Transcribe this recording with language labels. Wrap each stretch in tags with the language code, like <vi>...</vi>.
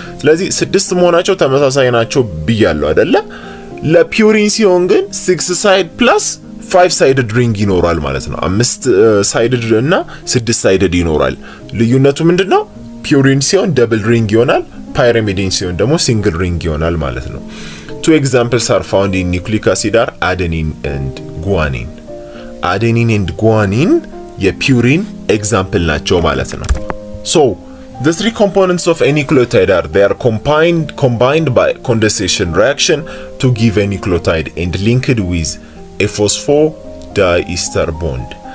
<am>ስለዚህ ስድስት መሆናቸው ተመሳሳይ ናቸው ብያለሁ አይደለ? ለፒዩሪን ሲሆን ግን</am> <en>six sided plus five sided ring</en> <am>ይኖራል ማለት ነው. አምስት sided እና ስድስት sided ይኖራል. ልዩነቱ ምንድነው? ፒዩሪን ሲሆን ደብል ሪንግ ይሆናል, ፓይራሚድን ሲሆን ደግሞ ሲንግል ሪንግ ይሆናል ማለት ነው.</am> <en>Two examples are found in nucleic acid are adenine and guanine. Adenine and guanine</en> <am>የፒዩሪን example ናቸው ማለት ነው.</am> <en>So the three components of a nucleotide are they are combined by condensation reaction to give a nucleotide and linked with a phosphodiester bond.</en>